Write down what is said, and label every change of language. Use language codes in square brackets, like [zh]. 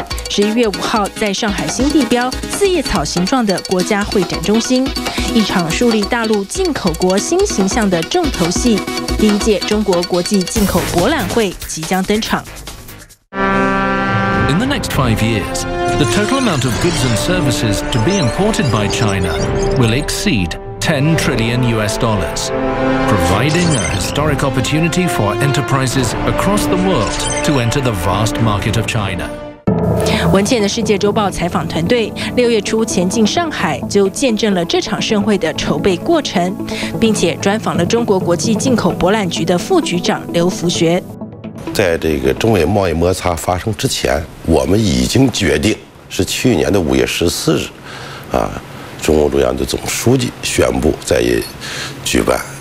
[zh] 11月5号，在上海新地标四叶草形状的国家会展中心，一场树立大陆进口国新形象的重头戏——第一届中国国际进口博览会即将登场。 [en] In the next 5 years, the total amount of goods and services to be imported by China will exceed $10 trillion, providing a historic opportunity for enterprises across the world to enter the vast market of China. [zh] 文茜的世界周报采访团队6月初前进上海，就见证了这场盛会的筹备过程，并且专访了中国国际进口博览局的副局长刘福学。在这个中美贸易摩擦发生之前，我们已经决定是去年的5月14日，中共中央的总书记宣布在举办